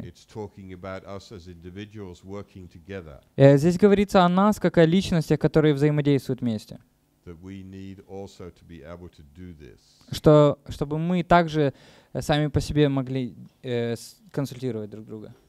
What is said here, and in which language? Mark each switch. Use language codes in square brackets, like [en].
[en] It's talking about us as individuals working together. [ru] Здесь говорится о нас как о личностях, которые взаимодействуют вместе. [en] That we need also to be able to do this. [ru] Что, чтобы мы также сами по себе могли консультировать друг друга.